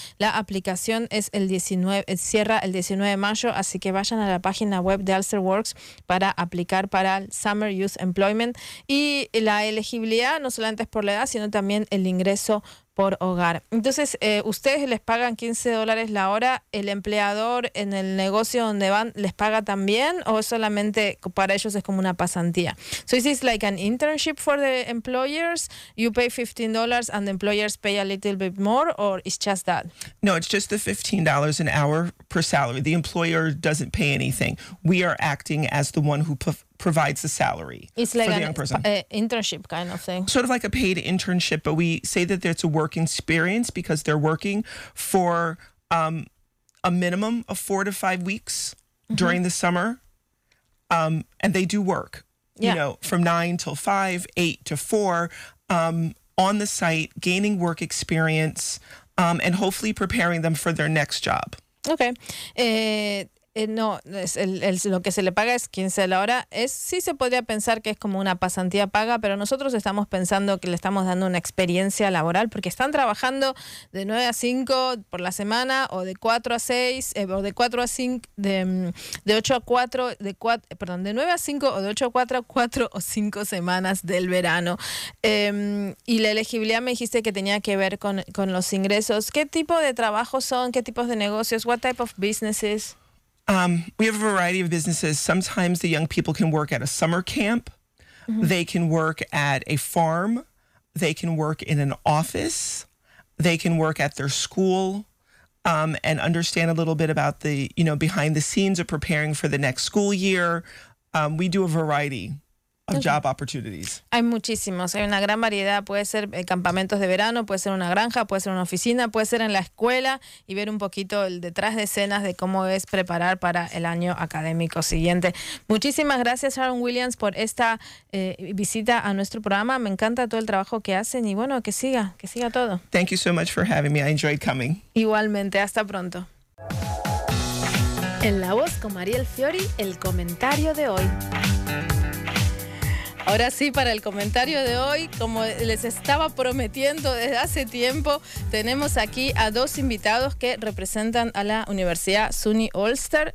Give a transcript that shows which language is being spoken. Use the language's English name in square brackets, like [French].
[Spanish] La aplicación es cierra el 19 de mayo, así que vayan a la página web de Alster Works para aplicar para el Summer Youth Employment. Y la elegibilidad no solamente es por la edad, sino también el ingreso por hogar. Entonces, ustedes les pagan $15 la hora, ¿el empleador en el negocio donde van les paga también o solamente para ellos es como una pasantía? [English] So is this like an internship for the employers? You pay $15 and the employers pay a little bit more, or it's just that? No, it's just the $15 an hour per salary. The employer doesn't pay anything. We are acting as the one who provides the salary. It's like for the young person. Internship kind of thing. Sort of like a paid internship, but we say that it's a work experience because they're working for a minimum of 4 to 5 weeks during the summer. And they do work, you know, from 9 till 5, 8 to 4, on the site, gaining work experience, and hopefully preparing them for their next job. Okay. [Spanish] No, es lo que se le paga es 15 de la hora. Sí se podría pensar que es como una pasantía paga, pero nosotros estamos pensando que le estamos dando una experiencia laboral porque están trabajando de 9 a 5 por la semana o de 4 a 6, o de 4 a 5, de 8 a 4, de 4, perdón, de 9 a 5 o de 8 a 4, 4 o 5 semanas del verano. Y la elegibilidad me dijiste que tenía que ver con los ingresos. ¿Qué tipo de trabajo son? ¿Qué tipos de negocios? [English] What type of businesses? We have a variety of businesses. Sometimes the young people can work at a summer camp. Mm-hmm. They can work at a farm. They can work in an office. They can work at their school and understand a little bit about the, you know, behind the scenes of preparing for the next school year. We do a variety of job opportunities. [Spanish] Hay muchísimos, hay una gran variedad. Puede ser campamentos de verano, puede ser una granja, puede ser una oficina, puede ser en la escuela y ver un poquito el detrás de escenas de cómo es preparar para el año académico siguiente. Muchísimas gracias, Aaron Williams, por esta visita a nuestro programa. Me encanta todo el trabajo que hacen y bueno, que siga todo. [English] Thank you so much for having me. I enjoyed coming. [Spanish] Igualmente, hasta pronto. En La Voz con Mariel Fiori, el comentario de hoy. Ahora sí, para el comentario de hoy, como les estaba prometiendo desde hace tiempo, tenemos aquí a dos invitados que representan a la Universidad SUNY Ulster.